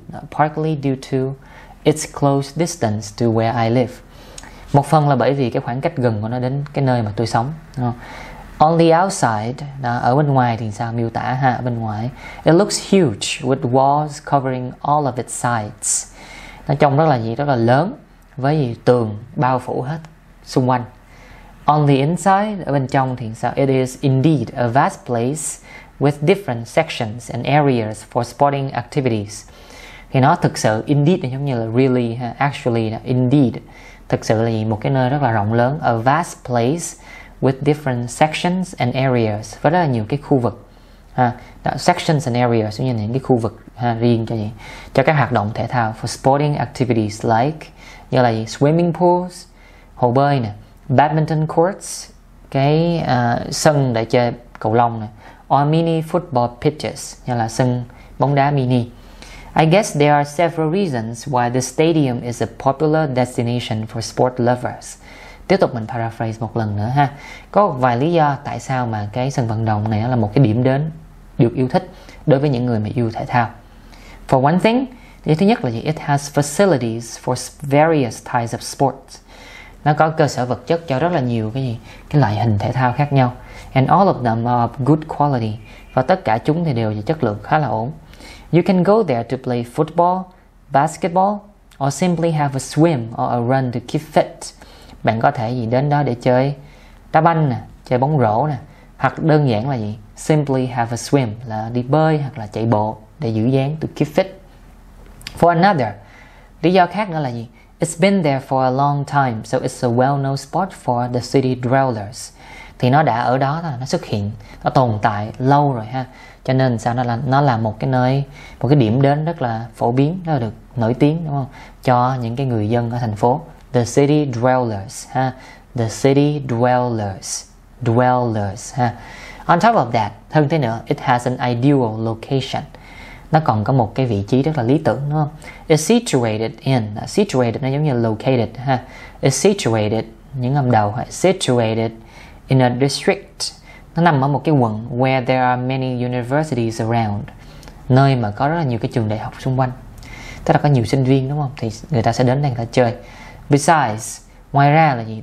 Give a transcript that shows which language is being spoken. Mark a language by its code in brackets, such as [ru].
[en] Partly due to its close distance to where I live. [vi] Một phần là bởi vì cái khoảng cách gần của nó đến cái nơi mà tôi sống, đúng không? [en] On the outside, [vi] đó, ở bên ngoài thì sao miêu tả ha, bên ngoài. [en] It looks huge with walls covering all of its sides. [vi] Nó trông rất là gì, rất là lớn với gì, tường bao phủ hết xung quanh. [en] On the inside, [vi] ở bên trong thì sao? [en] It is indeed a vast place with different sections and areas for sporting activities. [vi] Thì nó thực sự indeed giống như là really ha, actually indeed. Thực sự là gì, một cái nơi rất là rộng lớn, [en] a vast place with different sections and areas, [vi] với rất là nhiều cái khu vực ha. Đó, [en] sections and areas [vi] giống như những cái khu vực ha, riêng cho gì, cho các hoạt động thể thao, [en] for sporting activities [vi] like như là gì? [en] Swimming pools, [vi] hồ bơi nè, [en] badminton courts, [vi] cái sân để chơi cầu lông nè, [en] or mini football pitches, [vi] như là sân bóng đá mini. [en] I guess there are several reasons why the stadium is a popular destination for sport lovers. [vi] Tiếp tục mình paraphrase một lần nữa ha. Có vài lý do tại sao mà cái sân vận động này là một cái điểm đến được yêu thích đối với những người mà yêu thể thao. [en] For one thing, [vi] thứ nhất là gì? [en] It has facilities for various types of sports. [vi] Nó có cơ sở vật chất cho rất là nhiều cái gì? Cái loại hình thể thao khác nhau. [en] And all of them are of good quality. [vi] Và tất cả chúng thì đều chất lượng khá là ổn. [en] You can go there to play football, basketball, or simply have a swim or a run to keep fit. [vi] Bạn có thể gì đến đó để chơi đá banh nè, chơi bóng rổ nè, hoặc đơn giản là gì, [en] simply have a swim, [vi] là đi bơi hoặc là chạy bộ để giữ dáng, [en] to keep fit. For another, [vi] lý do khác nữa là gì, [en] it's been there for a long time, so it's a well-known spot for the city dwellers. [vi] Thì nó đã ở đó, nó xuất hiện, nó tồn tại lâu rồi ha, cho nên sao nó là một cái nơi, một cái điểm đến rất là phổ biến, nó được nổi tiếng đúng không, cho những cái người dân ở thành phố. [en] The city dwellers, ha. The city dwellers, dwellers, ha. On top of that, [vi] hơn thế nữa, [en] it has an ideal location. [vi] Nó còn có một cái vị trí rất là lý tưởng, đúng không? [en] It's situated in, situated [vi] nó giống như [en] located, ha. It's situated, [vi] những âm đầu, [en] ha. Situated in a district. [vi] Nó nằm ở một cái quận [en] where there are many universities around. [vi] Nơi mà có rất là nhiều cái trường đại học xung quanh. Tức là có nhiều sinh viên, đúng không? Thì người ta sẽ đến đây người ta chơi. [en] Besides, [vi] ngoài ra là gì?